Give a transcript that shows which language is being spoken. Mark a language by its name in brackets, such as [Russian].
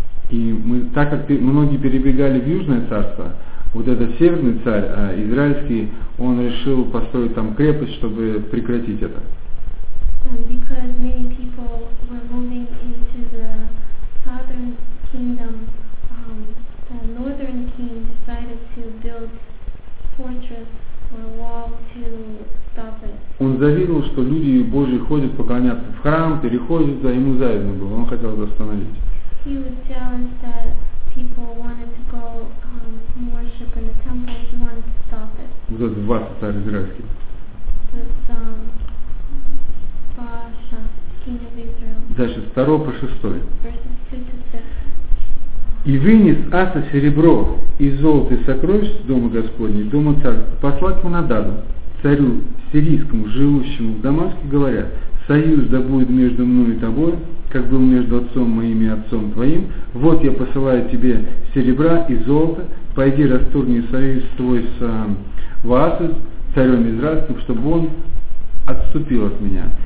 [Russian] И мы, так как многие перебегали в Южное царство, вот этот северный царь, израильский, он решил построить там крепость, чтобы прекратить это. [English] Because many people were moving into the southern kingdom, the northern king decided to build fortress or a wall to stop it. [Russian] Он завидовал, что люди Божьи ходят поклоняться в храм, переходят, да, ему завидно было, он хотел это остановить. [English] He was jealous that people wanted to go worship in the temple, he wanted to stop it. [Russian] Вот этот Ваз, царь израильский. [English] This Baasha, king of Israel. [Russian] Дальше, с 2 по 6. [English] Verses 2 to 6. [Russian] И вынес Аса серебро и золото и сокровища дома Господня, дома царства, послать его Нададу, царю сирийскому, живущему в Дамаске, говоря, союз да будет между мной и тобой, как был между отцом моим и отцом твоим, вот я посылаю тебе серебра и золото, пойди расторгни союз твой с Ваасой, царем израильским, чтобы он отступил от меня.